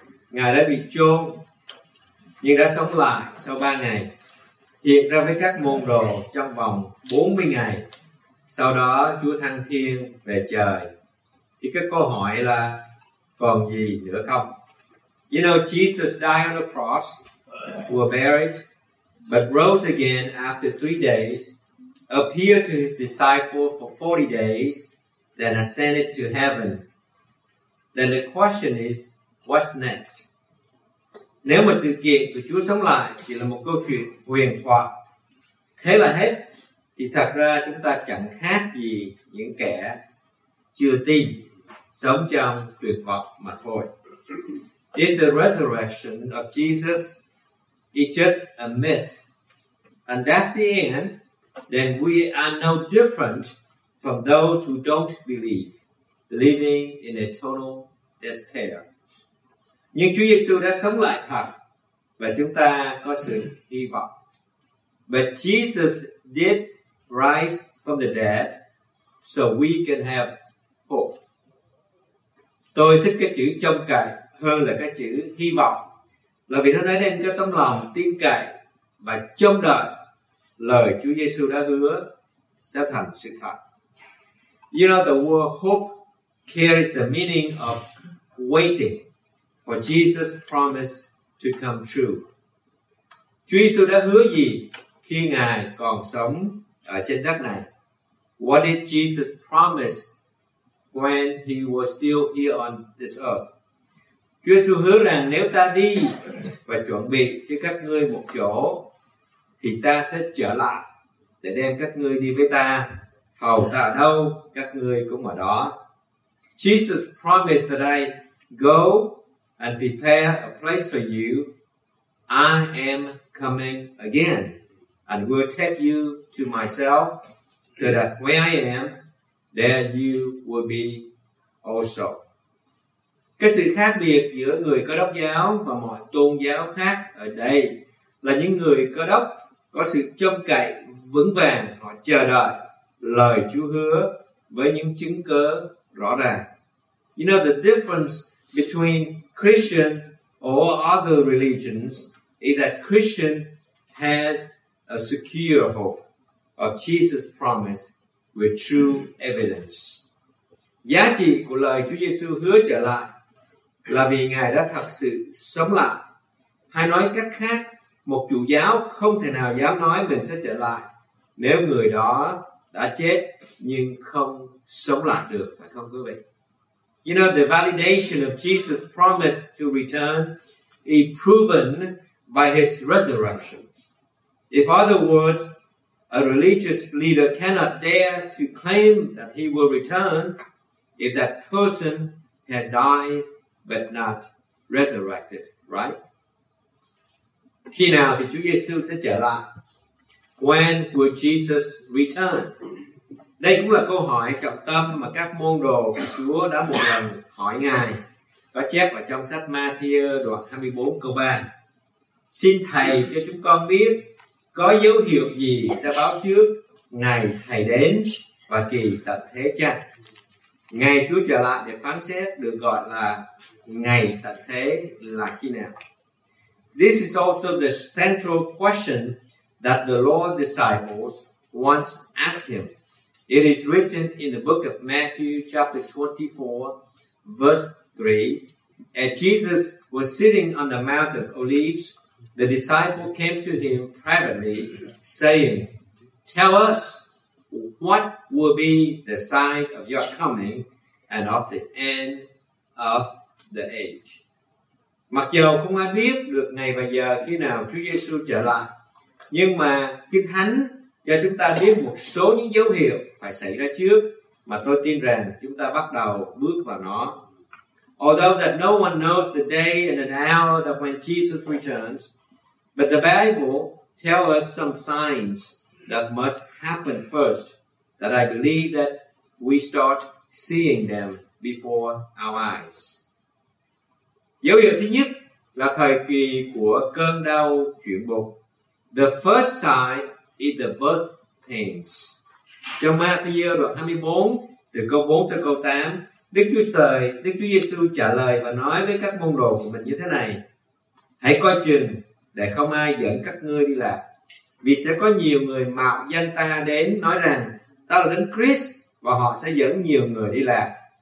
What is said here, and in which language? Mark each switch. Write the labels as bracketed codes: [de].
[vi] Ngài đã bị chôn nhưng đã sống lại sau 3 ngày, hiện ra với các môn đồ trong vòng 40 ngày. Sau đó Chúa thăng thiên về trời. Thì cái câu hỏi là còn gì nữa không? [en] You know, Jesus died on the cross, were buried, but rose again after 3 days, appeared to his disciples for 40 days, then ascended to heaven. Then the question is, what's next? [vi] Nếu mà sự kiện của Chúa sống lại chỉ là một câu chuyện huyền thoại, thế là hết, thì thật ra chúng ta chẳng khác gì những kẻ chưa tin, sống trong tuyệt vọng mà thôi. [en] If the resurrection of Jesus is just a myth, and that's the end, then we are no different from those who don't believe, living in eternal despair. [vi] Nhưng Chúa Giê-xu đã sống lại thật, và chúng ta có sự hy vọng. [en] But Jesus did rise from the dead, so we can have hope. [vi] Tôi thích cái chữ trông cậy hơn là cái chữ hy vọng, là vì nó nói đến cái tấm lòng tin cậy và trông đợi lời Chúa Giê-xu đã hứa sẽ thành sự thật. [en] You know, the word hope carries the meaning of waiting for Jesus' promise to come true. [vi] Chúa Giê-xu đã hứa gì khi Ngài còn sống ở trên đất này? [en] What did Jesus promise when he was still here on this earth? [vi] Chúa Giê-xu hứa rằng nếu ta đi và chuẩn bị cho các ngươi một chỗ, thì ta sẽ trở lại để đem các ngươi đi với ta. Hầu ta ở đâu, các ngươi cũng ở đó. [en] Jesus promised that I go and prepare a place for you. I am coming again. and will take you to myself, so that where I am, there you will be also. [vi] Cái sự khác biệt giữa người Cơ Đốc giáo và mọi tôn giáo khác ở đây là những người Cơ Đốc có sự trông cậy vững vàng, họ chờ đợi lời Chúa hứa với những chứng cớ rõ ràng. [en] You know, the difference between Christian or other religions is that Christian has a secure hope of Jesus' promise with true evidence. [vi] Giá trị của lời Chúa Giêsu hứa trở lại là vì Ngài đã thật sự sống lại. Hay nói cách khác, một chủ giáo không thể nào dám nói mình sẽ trở lại nếu người đó đã chết nhưng không sống lại được, phải không quý vị? [en] You know, the validation of Jesus' promise to return is proven by his resurrection. If other words, a religious leader cannot dare to claim that he will return if that person has died but not resurrected, right? [vi] Khi nào thì Chúa Giêsu sẽ trở lại? [en] When will Jesus return? [vi] Đây cũng là câu hỏi trọng tâm mà các môn đồ của Chúa đã một lần hỏi Ngài. Có chép ở trong sách Matthew đoạn 24 câu 3. Xin Thầy cho chúng con biết có dấu hiệu gì sẽ báo trước ngày Thầy đến và kỳ tận thế chăng? Ngày Chúa trở lại để phán xét được gọi là ngày tận thế là khi nào? [en] This is also the central question that the Lord's disciples once asked him. It is written in the book of Matthew, chapter 24, verse 3. As Jesus was sitting on the Mount of Olives, the disciple came to him privately, saying, "Tell us, what will be the sign of your coming and of the end of the age?" [vi] Mặc dù không ai biết được ngày và giờ khi nào Chúa Giêsu trở lại, nhưng mà Kinh Thánh cho chúng ta biết một số những dấu hiệu phải xảy ra trước mà tôi tin rằng chúng ta bắt đầu bước vào nó. [en] Although that no one knows the day and the hour that when Jesus returns, but the Bible tells us some signs that must happen first, that I believe that we start seeing them before our eyes. [vi] Dấu hiệu thứ nhất là thời kỳ của cơn đau chuyển bụng. [en] The first sign is the birth pains. [vi] Trong Matthew đoạn 24, từ câu 4 tới câu 8, Đức Chúa Giêsu trả lời và nói với các môn đồ của mình như thế này: "Hãy coi chừng để không ai dẫn các ngươi đi lạc, vì sẽ có nhiều người mạo danh ta đến nói rằng ta là Đấng Christ, và họ sẽ dẫn nhiều người đi lạc.